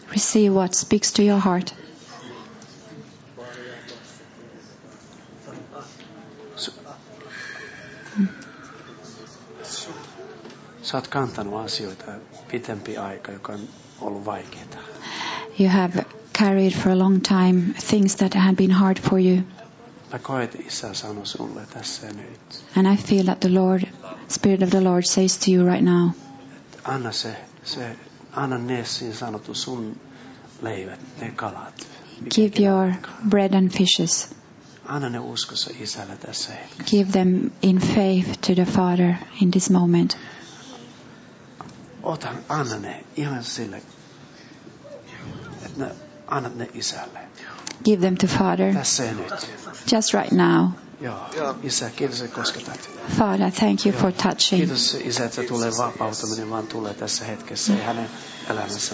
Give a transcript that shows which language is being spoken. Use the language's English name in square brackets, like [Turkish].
[English] Receive what speaks to your heart. So, [Finnish] Sä oot kantanut asioita pitempi aika, joka on ollut vaikeaa. [English] You have carried for a long time things that have been hard for you. [Finnish] Mä koen, että Isä sanoo sulle tässä nyt. [English] And I feel that the Lord, Spirit of the Lord, says to you right now. [Finnish] Anna se, anna ne siinä sanottu sun leivät, ne kalat. [English] Give your bread and fishes. [Finnish] Anna ne uskossa Isällä tässä hetkessä. [English] Give them in faith to the Father in this moment. [Finnish] Ota, anna ne ihan sille, että annat ne Isälle. [English] Give them to Father. [Finnish] Tässä nyt. [English] Just right now. [Finnish] Isä, kiitos, että kosketat. [English] Father, thank you for touching. [Finnish] Kiitos, Isä, että tulee vapautuminen, vaan tulee tässä hetkessä ja hänen elämässä.